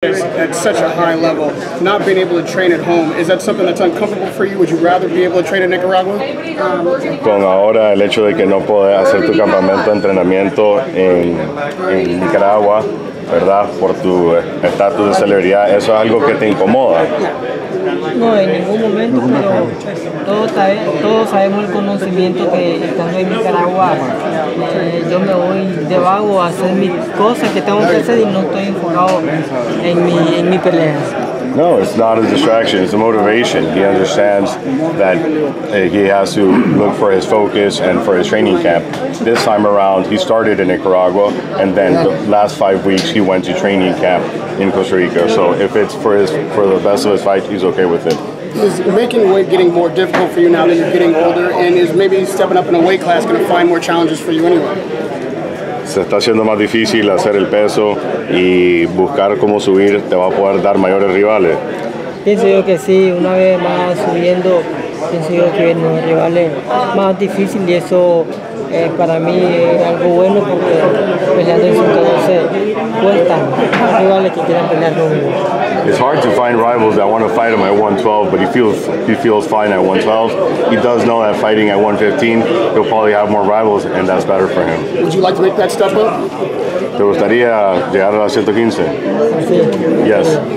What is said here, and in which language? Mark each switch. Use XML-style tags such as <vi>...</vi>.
<en>At such a high level, not being able to train at home, is that something that's uncomfortable for you? Would you rather be able to train in Nicaragua?</en> <es>Con ahora el hecho de que no puedes hacer tu campamento de entrenamiento en Nicaragua, ¿verdad? Por tu estatus de celebridad, ¿eso es algo que te incomoda? No, en ningún momento, pero todos sabemos el conocimiento que estando en Nicaragua, yo me voy debajo a hacer mis cosas que tengo que hacer y no estoy enfocado en mi pelea.</es> <en>No, it's not a distraction, it's a motivation. He understands that he has to look for his focus and for his training camp. This time around, he started in Nicaragua, and then the last 5 weeks he went to training camp in Costa Rica. So if it's for the best of his fight, he's okay with it. Is making weight getting more difficult for you now that you're getting older, and is maybe stepping up in a weight class going to find more challenges for you anyway?</en> <es>Se está haciendo más difícil hacer el peso y buscar cómo subir te va a poder dar mayores rivales. Pienso yo que sí, una vez más subiendo, pienso yo que vienen los rivales más difícil y eso para mí es algo bueno porque peleando en 112 cuesta rivales que quieran pelear conmigo.</es> <en>It's hard to find rivals that want to fight him at 112, but he feels fine at 112. He does know that fighting at 115, he'll probably have more rivals, and that's better for him. Would you like to make that step up?</en> <es>Te gustaría llegar a 115? Yes.</es>